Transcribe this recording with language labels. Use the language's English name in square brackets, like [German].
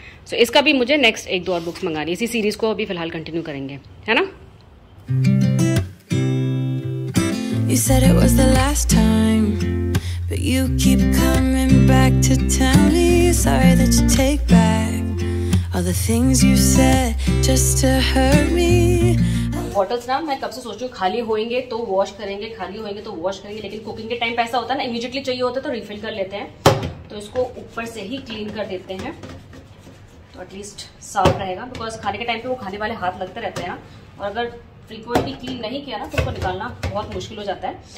[Hindi] सो इसका भी मुझे नेक्स्ट 1-2 और बुक्स मंगा ली, इसी सीरीज को अभी फिलहाल कंटिन्यू करेंगे, है ना? [English] You said it was the last time, but you keep coming back to tell me sorry that you take back all the things you said just to hurt me. [Hindi] Bottles ना मैं कब से सोच रही हूँ, खाली होंगे तो वॉश करेंगे, लेकिन कुकिंग के टाइम पैसा होता है ना, इमीडिएटली चाहिए होता है तो रिफिल कर लेते हैं, तो इसको ऊपर से ही क्लीन कर देते हैं तो एटलीस्ट साफ रहेगा, बिकॉज खाने के टाइम पे वो खाने वाले हाथ लगते रहते हैं ना, और अगर फ्रीक्वेंटली क्लीन नहीं किया ना तो उसको निकालना बहुत मुश्किल हो जाता है।